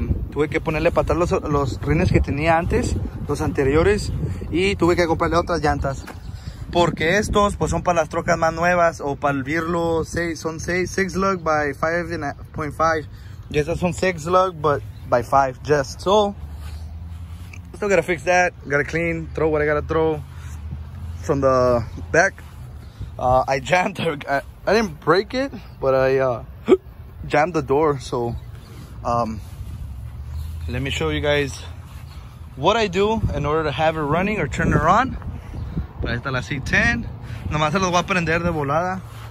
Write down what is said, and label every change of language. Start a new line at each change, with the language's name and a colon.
Spanish: Tuve que ponerle para atrás los rines que tenía antes, los anteriores, y tuve que comprarle otras llantas. Porque estos pues son para las trocas más nuevas o para el Virlo 6, son 6 lug by 5.5. Yes, son 6 lug but by 5 just.
English: So still gotta fix that, gotta clean, throw what I gotta throw from the back. I jammed, I didn't break it, but I jammed the door. So let me show you guys what I do in order to have it running or turn it on.
Spanish: Ahí está la C10. Nomás se los voy a prender de volada.